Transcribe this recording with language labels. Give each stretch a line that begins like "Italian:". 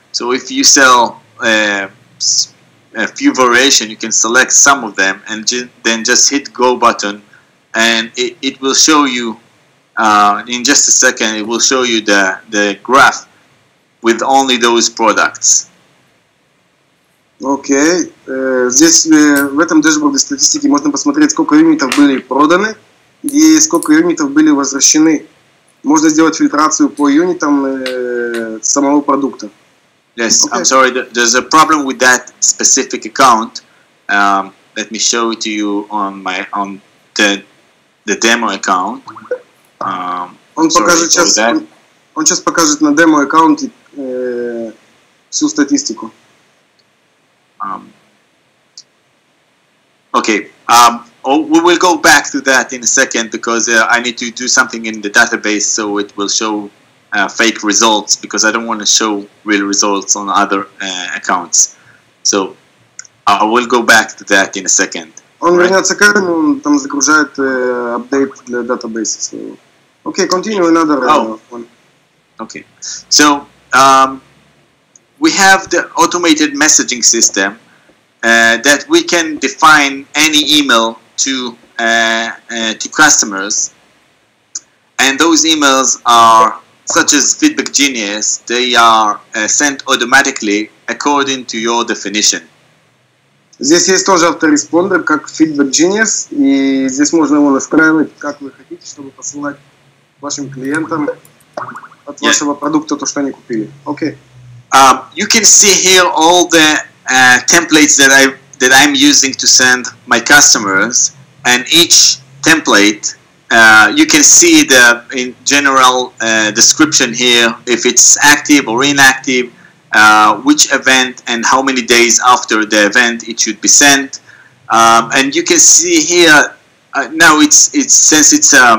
English: So if you sell a few variations, you can select some of them and then just hit go button, and it will show you in just a second, it will show you the graph with only those products.
Russian: Окей, здесь в этом дэшборде статистики можно посмотреть, сколько юнитов были проданы и сколько юнитов были возвращены. Можно сделать фильтрацию по юнитам самого продукта.
English: Yes, okay. I'm sorry, there's a problem with that specific account. Let me show it to you on my on the demo account.
Russian: Он сейчас покажет на демо аккаунте всю статистику.
English: We will go back to that in a second, because I need to do something in the database so it will show fake results, because I don't want to show real results on other accounts. So I will go back to that in a second.
Russian: Он вернется к этому, он там загружает апдейт для database.
English: Okay, continue another one. Okay, so we have the automated messaging system. That we can define any email to customers, and those emails are such as Feedback Genius. They are sent automatically according to your definition.
Russian: Здесь есть тоже автореспондер, как Feedback Genius, и здесь можно его настраивать, как вы хотите, чтобы посылать вашим клиентам от вашего продукта то, что они купили.
English: Okay. You can see here all the templates that I'm using to send my customers, and each template you can see the in general description here, if it's active or inactive, which event and how many days after the event it should be sent, and you can see here now it's since it's